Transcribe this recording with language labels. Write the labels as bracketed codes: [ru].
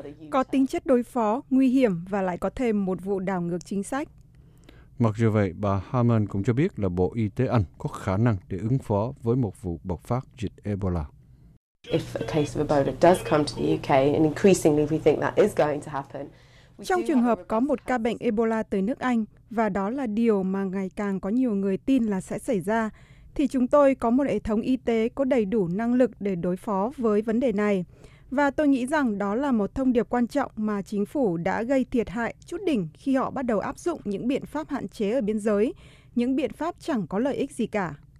[vi] Có tính chất đối phó, nguy hiểm và lại có thêm một vụ đảo ngược chính sách. Mặc dù vậy, bà Harman cũng cho biết là Bộ Y tế Anh có khả năng để ứng phó với một vụ bộc phát dịch Ebola. [en] If a case of Ebola does come to the UK, and increasingly we think that is going to happen. [vi] Trong trường hợp có một ca bệnh Ebola tới nước Anh, và đó là điều mà ngày càng có nhiều người tin là sẽ xảy ra, thì chúng tôi có một hệ thống y tế có đầy đủ năng lực để đối phó với vấn đề này. Và tôi nghĩ rằng đó là một thông điệp quan trọng mà chính phủ đã gây thiệt hại chút đỉnh khi họ bắt đầu áp dụng những biện pháp hạn chế ở biên giới, những biện pháp chẳng có lợi ích gì cả.